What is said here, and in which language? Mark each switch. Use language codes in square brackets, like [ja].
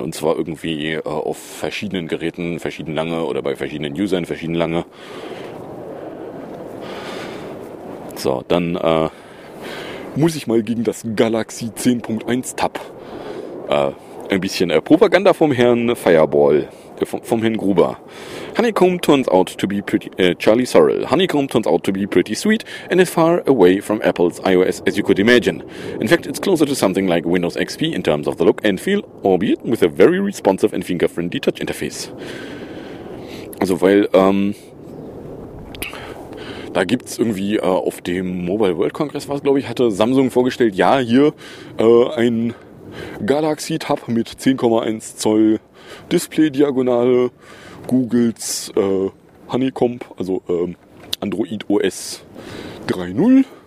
[de] Und zwar irgendwie auf verschiedenen Geräten, verschieden lange oder bei verschiedenen Usern, verschieden lange. So, dann muss ich mal gegen das Galaxy 10.1 Tab ein bisschen Propaganda vom Herrn Fireball vom Herrn Gruber. [en] Honeycomb turns out to be pretty, Charlie Sorrell. Honeycomb turns out to be pretty sweet and as far away from Apple's iOS as you could imagine. In fact, it's closer to something like Windows XP in terms of the look and feel, albeit with a very responsive and finger-friendly touch interface. [de] Also, weil, da gibt es irgendwie auf dem Mobile World Congress, was glaube ich, hatte Samsung vorgestellt, ja, hier ein Galaxy Tab mit 10,1 Zoll Display-Diagonale, Googles Honeycomb, also Android OS 3.0.